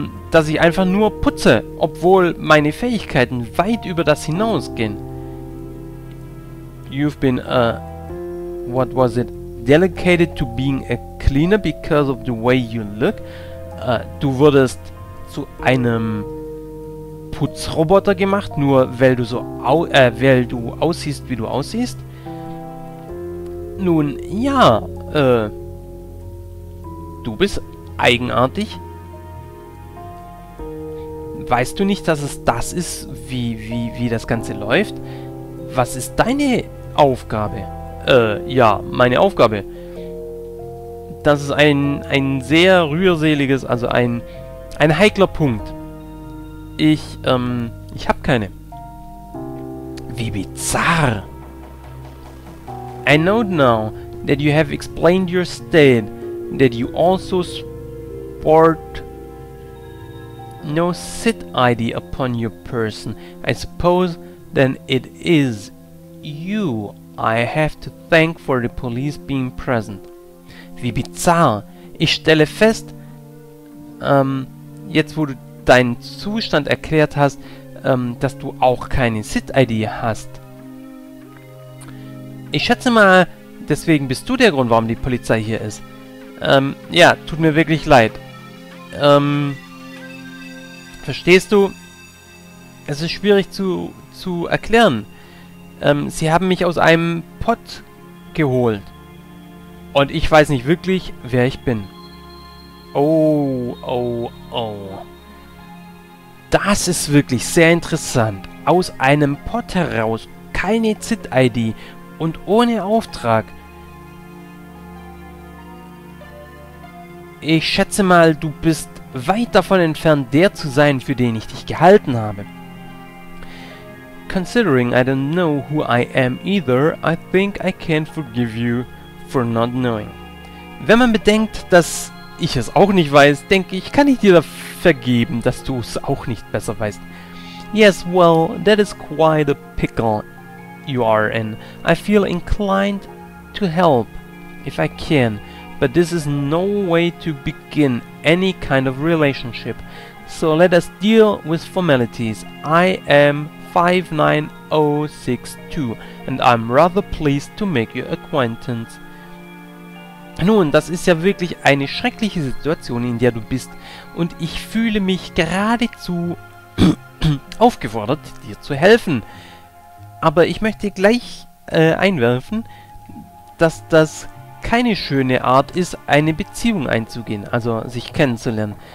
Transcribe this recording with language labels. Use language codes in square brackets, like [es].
[de] dass ich einfach nur putze, obwohl meine Fähigkeiten weit über das hinausgehen. [en] You've been a... what was it? Delegated to being a cleaner because of the way you look? [de] Du wurdest zu einem Putzroboter gemacht, nur weil du so weil du aussiehst, wie du aussiehst? Nun, ja, du bist eigenartig. Weißt du nicht, dass es das ist, wie das Ganze läuft? Was ist deine Aufgabe? Ja, meine Aufgabe. Das ist ein sehr rührseliges, also ein heikler Punkt. Ich habe keine. Wie bizarr. [en] I know now that you have explained your state, that you also sport no sit ID upon your person. I suppose then it is you I have to thank for the police being present. [de] Wie bizarr. Ich stelle fest, jetzt wo du deinen Zustand erklärt hast, dass du auch keine Sit-ID hast. Ich schätze mal, deswegen bist du der Grund, warum die Polizei hier ist. Ja, tut mir wirklich leid. Verstehst du? Es ist schwierig zu erklären. Sie haben mich aus einem Pott geholt. Und ich weiß nicht wirklich, wer ich bin. Oh, oh, oh. Das ist wirklich sehr interessant. Aus einem Pott heraus, keine ZIT-ID und ohne Auftrag. Ich schätze mal, du bist weit davon entfernt, der zu sein, für den ich dich gehalten habe. [en] Considering I don't know who I am either, I think I can't forgive you for not knowing. [de] Wenn man bedenkt, dass ich es auch nicht weiß, denke ich, kann ich dir vergeben, dass du es auch nicht besser weißt. [en] Yes, well, that is quite a pickle you are in. I feel inclined to help, if I can, but this is no way to begin any kind of relationship. So let us deal with formalities. I am 59062, and I'm rather pleased to make your acquaintance. [de] Nun, das ist ja wirklich eine schreckliche Situation, in der du bist, und ich fühle mich geradezu aufgefordert, dir zu helfen. Aber ich möchte gleich einwerfen, dass das keine schöne Art ist, eine Beziehung einzugehen, also sich kennenzulernen.